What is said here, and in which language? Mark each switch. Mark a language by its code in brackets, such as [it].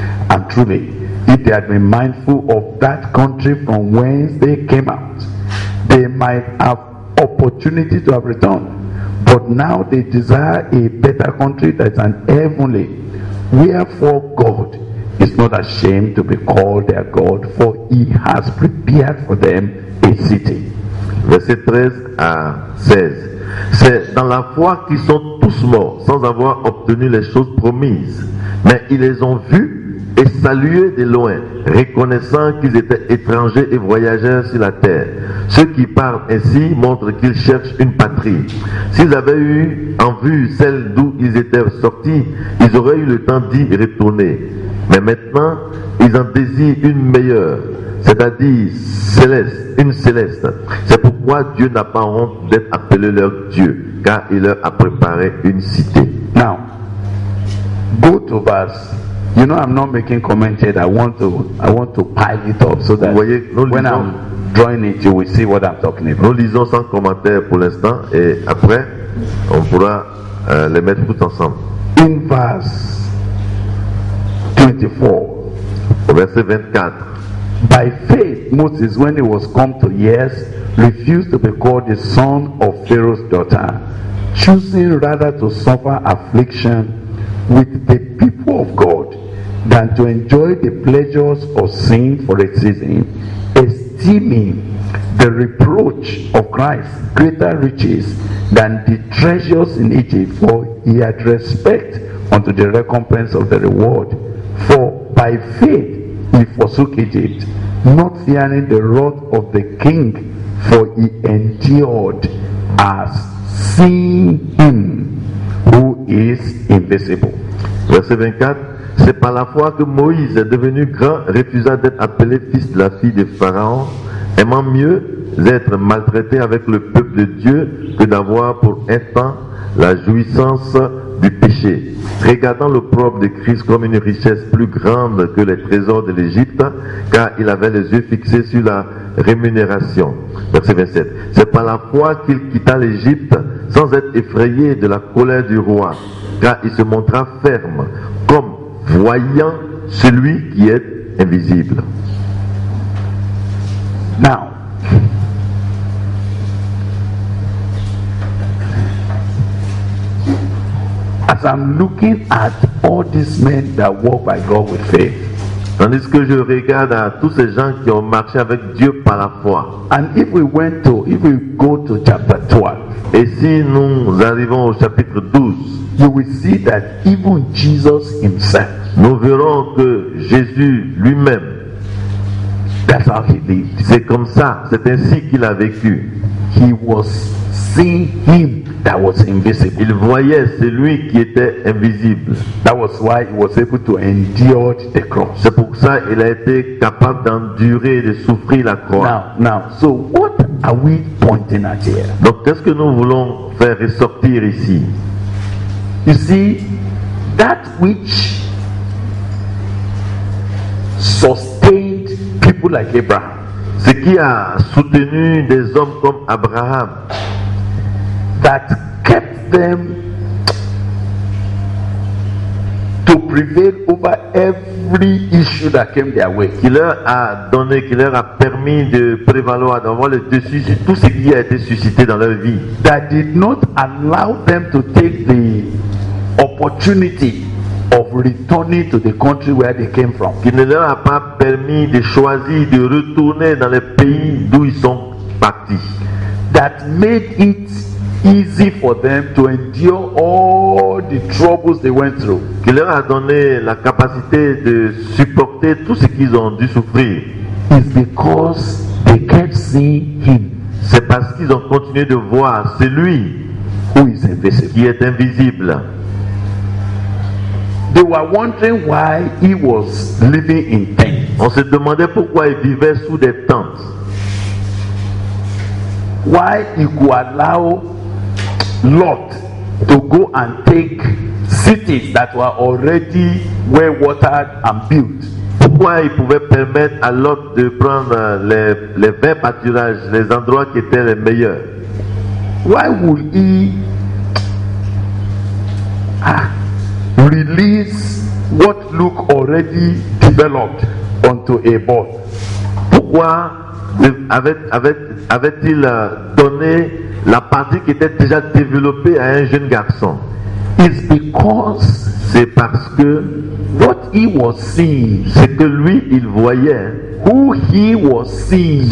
[en] And truly, if they had been mindful of that country from whence they came out, they might have opportunity to have returned. But now they desire a better country that is an heavenly. Wherefore God is not ashamed to be called their God, for he has prepared for them a city. [fr] Verset 13 à 16. C'est dans la foi qu'ils sont tous morts, sans avoir obtenu les choses promises. Mais ils les ont vus et salués de loin, reconnaissant qu'ils étaient étrangers et voyageurs sur la terre. Ceux qui parlent ainsi montrent qu'ils cherchent une patrie. S'ils avaient eu en vue celle d'où ils étaient sortis, ils auraient eu le temps d'y retourner. Mais maintenant, ils en désirent une meilleure, c'est-à-dire céleste, une céleste. C'est pourquoi Dieu n'a pas honte d'être appelé leur Dieu, car il leur a préparé une cité. [en] Now, both of us, you know, I'm not making comment yet. I want to pile it up so that when I'm drawing it, you will see what I'm talking about. [fr] Nous lisons sans commentaire pour l'instant, et après, on pourra les mettre tous ensemble. [en] In verse 24. [fr] Verset 24. [en] By faith, Moses, when he was come to years, refused to be called the son of Pharaoh's daughter, choosing rather to suffer affliction with the people of God than to enjoy the pleasures of sin for a season, esteeming the reproach of Christ greater riches than the treasures in Egypt, for he had respect unto the recompense of the reward. For by faith he forsook Egypt, not fearing the wrath of the king, for he endured as seeing him who is invisible. [fr] Verset 24. C'est par la foi que Moïse est devenu grand, refusa d'être appelé fils de la fille de Pharaon, aimant mieux être maltraité avec le peuple de Dieu que d'avoir pour un temps la jouissance du péché, regardant l'opprobre de Christ comme une richesse plus grande que les trésors de l'Égypte, car il avait les yeux fixés sur la rémunération. Verset 27. C'est par la foi qu'il quitta l'Égypte sans être effrayé de la colère du roi, car il se montra ferme, comme voyant celui qui est invisible. [en] Now, as I'm looking at all these men that walk by God with faith, [fr] tandis que je regarde à tous ces gens qui ont marché avec Dieu par la foi, [en] and if we go to chapter 12, [fr] et si nous arrivons au chapitre 12, [en] you will see that even Jesus himself, [fr] nous verrons que Jésus lui-même, [en] that's how he lived. [fr] C'est comme ça, c'est ainsi qu'il a vécu. [en] He was seeing him that was invisible. [fr] Il voyait celui qui était invisible. [en] That was why he was able to endure the cross. [fr] C'est pour ça qu'il a été capable d'endurer et de souffrir la croix. [en] Now, so what are we pointing at here? [fr] Donc, qu'est-ce que nous voulons faire ressortir ici? [en] You see, that which sustained people like Abraham, [fr] ce qui a soutenu des hommes comme Abraham, [en] that kept them to prevail over every issue that came their way, [fr] qui leur a donné, qui leur a permis de prévaloir, d'avoir le dessus sur tout ce qui a été suscité dans leur vie, [en] that did not allow them to take the opportunity of returning to the country where they came from, [fr] qui ne leur a pas permis de choisir de retourner dans le pays d'où ils sont partis, [en] that made it easy for them to endure all the troubles they went through, [fr] qui leur a donné la capacité de supporter tout ce qu'ils ont dû souffrir, [en] is because they kept seeing him. [fr] C'est parce qu'ils ont continué de voir celui [en] who is invisible, [fr] qui est invisible. [en] They were wondering why he was living in tents. [fr] On se demandait pourquoi il vivait sous des tentes. [en] Why he could allow Lot to go and take cities that were already well watered and built. [fr] pourquoi il pouvait permettre à Lot de prendre les 20 pâturages, les endroits qui étaient les meilleurs. [en] Why would he release what looked already developed onto a board? [fr] Pourquoi avait-il donné la partie qui était déjà développée à un jeune garçon? [en] It's because [fr] c'est parce que [en] what he was seeing, [fr] ce que lui il voyait, [en] who he was seeing,